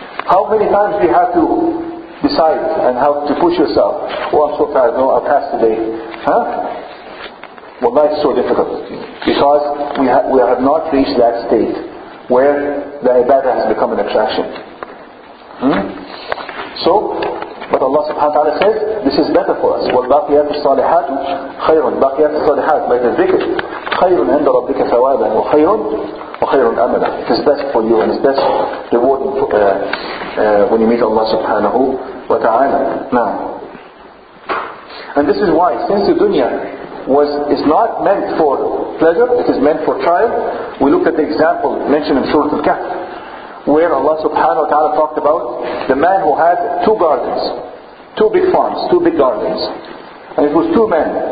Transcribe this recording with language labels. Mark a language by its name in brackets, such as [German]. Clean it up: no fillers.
[English] How many times we have to decide and have to push yourself? Oh, I'm so tired. No, I'll pass today. Huh? Well, that's so difficult. Because we have not reached that state where the ibadah has become an attraction. So, but Allah subhanahu wa ta'ala says, this is better for us. [Arabic] وَالْبَاقِيَاتُ الصَّالِحَاتُ خَيْرٌ. بَاقِيَاتُ الصَّالِحَاتُ [English] by the dhikr, [Arabic] خَيْرٌ عِنْدَ رَبِّكَ ثَوَابًا وَخَيْرٌ أَمَلًا. [English] It is best for you, and it's best reward when you meet Allah subhanahu wa ta'ala. Now, and this is why, since the dunya is not meant for pleasure, it is meant for trial. We looked at the example mentioned in Surah Al-Kahf, where Allah subhanahu wa ta'ala talked about the man who had two gardens, two big farms, two big gardens. And it was two men.